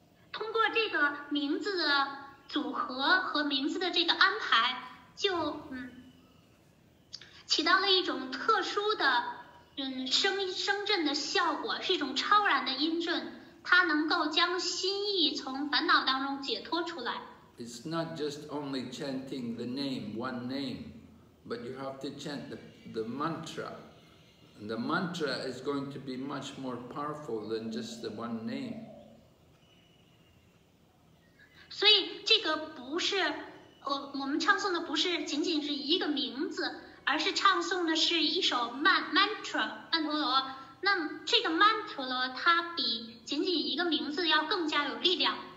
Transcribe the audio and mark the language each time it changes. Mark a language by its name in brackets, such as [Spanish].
[Chinese] 通过这个名字的组合和名字的这个安排就起到了一种特殊的声振的效果，是一种超然的音振。它能够将心意从烦恼当中解脱出来。 [English] It's not just only chanting the name, one name, but you have to chant the mantra. And the mantra is going to be much more powerful than just the one name. [Chinese] 所以这个不是，我们唱诵的不是仅仅是一个名字，而是唱诵的是一首mantra, 曼陀罗。那这个曼陀罗它比仅仅一个名字要更加有力量。